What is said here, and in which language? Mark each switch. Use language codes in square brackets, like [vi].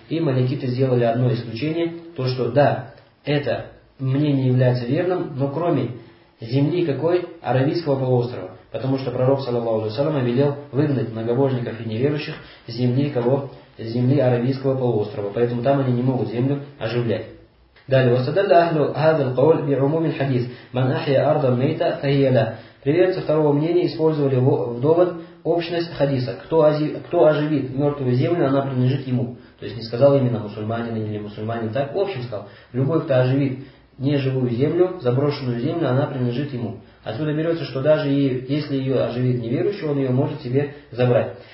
[ru] И маликиты сделали одно исключение, то что да, это мнение является верным, но кроме земли какой? Аравийского полуострова. Потому что пророк, саллаллаху алейхи ва саллям, велел выгнать многобожников и неверующих с земли кого? С земли Аравийского полуострова. Поэтому там они не могут землю оживлять. Далее, [ar] واستدل أهل هذا القول بعموم الحديث من أحيا أرضا ميتة فهي له. [ru] Приверженцы второго мнения использовали в довод общность хадиса. Кто оживит мертвую землю, она принадлежит ему. То есть не сказал именно мусульманин или мусульманин, так в общем сказал. Любой, кто оживит неживую землю, заброшенную землю, она принадлежит ему. Отсюда берется, что даже если ее оживит неверующий, он ее может себе забрать.